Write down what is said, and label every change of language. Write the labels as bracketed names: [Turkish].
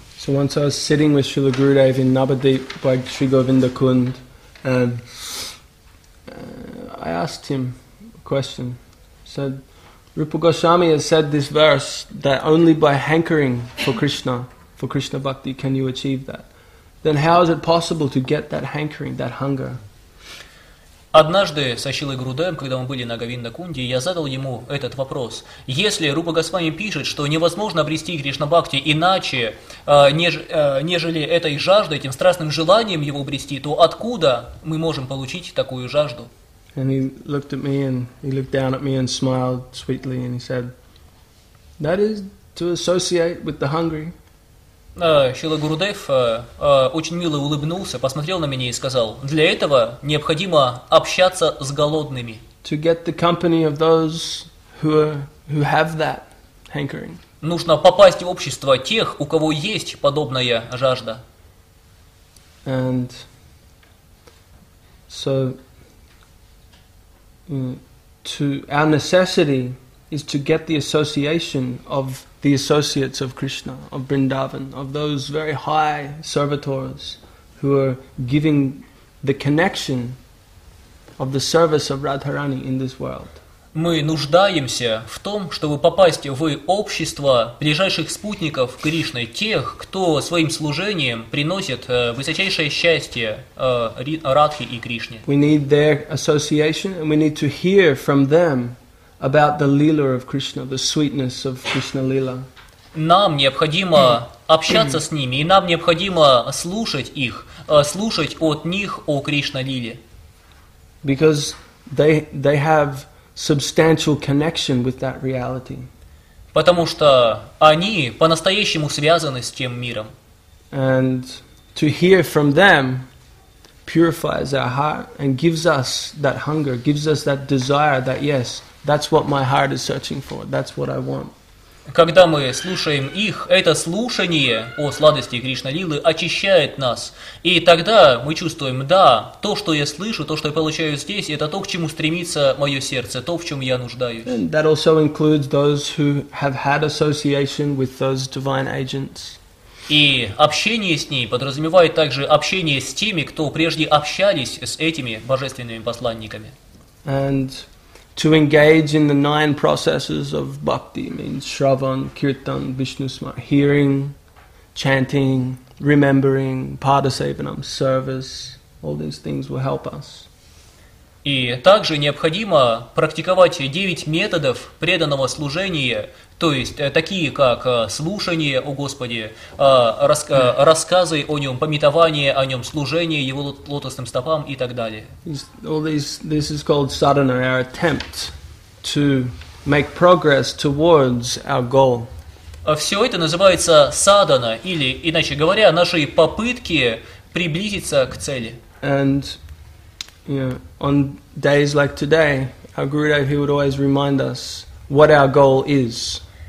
[English] So once I was sitting with Srila Gurudev in Nabadeep by Sri Govinda Kund, I asked him a question. I said, Rupa Goswami has said this verse that only by hankering for Krishna Bhakti, can you achieve that. Then how is it possible to get that hankering, that hunger? [Russian] Однажды со Шрилой Гурудевом, когда мы были на Говинда-кунде, я задал ему этот вопрос. Если Рупа Госвами пишет, что невозможно обрести Кришна-бхакти иначе, нежели этой жаждой, этим страстным желанием его обрести, то откуда мы можем получить такую жажду? [English] And he looked at me and he looked down at me and smiled sweetly and he said, that is to associate with the hungry. [Russian] Шрила Гурудев очень мило улыбнулся, посмотрел на меня и сказал, для этого необходимо общаться с голодными. [English] To get the company of those who have that hankering. [Russian] Нужно попасть в общество тех, у кого есть подобная жажда. [English] And so our necessity is to get the association of the associates of Krishna, of Vrindavan, of those very high servitors who are giving the connection of the service of Radharani in this world. [Russian] Мы нуждаемся в том, чтобы попасть в общество ближайших спутников Кришны, тех, кто своим служением приносит высочайшее счастье Радхе и Кришне. [English] We need their association and we need to hear from them about the lila of Krishna, the sweetness of Krishna lila. [Russian] Нам необходимо общаться с ними, и нам необходимо слушать их, слушать от них о Кришна лиле. [English] Because they have substantial connection with that reality. [Russian] Потому что они по-настоящему связаны с тем миром. [English] And to hear from them purifies our heart and gives us that hunger, gives us that desire that yes, that's what my heart is searching for. That's what I want. [Russian] Когда мы слушаем их, это слушание о сладости Кришна-лилы очищает нас. И тогда мы чувствуем, да, то, что я слышу, то, что я получаю здесь, это то, к чему стремится мое сердце, то, в чем я нуждаюсь. [English] And that also includes those who have had association with those divine agents. [Russian] И общение с ней подразумевает также общение с теми, кто прежде общались с этими божественными посланниками. [English] And to engage in the nine processes of bhakti means shravan, kirtan, vishnu smar, hearing, chanting, remembering, padasevanam, service, all these things will help us. [Russian] И также необходимо практиковать девять методов преданного служения, то есть такие как слушание о Господе, рассказы о Нем, памятование о Нем, служение Его лотосным стопам и так далее. [English] All this is called sadhana, our attempt to make progress towards our goal. [Russian] Все это называется sadhana, или, иначе говоря, наши попытки приблизиться к цели. [English] And on days like today, our Gurudev, he would always remind us what our goal is.